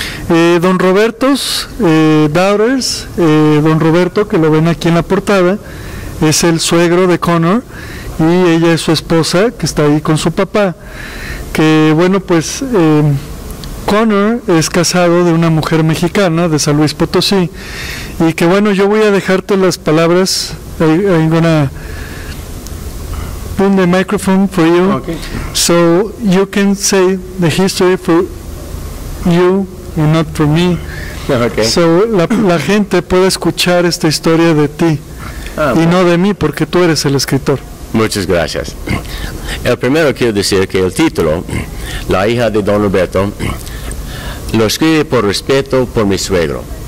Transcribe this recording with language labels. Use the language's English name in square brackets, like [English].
[Spanish] Don Robertos Daughters, Don Roberto, que lo ven aquí en la portada, es el suegro de Connor, y ella es su esposa, que está ahí con su papá. Que bueno, pues... Connor es casado de una mujer mexicana de San Luis Potosí, y que bueno, yo voy a dejarte las palabras. [English] I'm gonna put the microphone for you, okay, so you can say the history for you and not for me. Okay. [Spanish] So la gente pueda escuchar esta historia de ti y no de mí, porque tú eres el escritor. Muchas gracias. El primero quiero decir que el título, La hija de Don Roberto, lo escribí por respeto por mi suegro.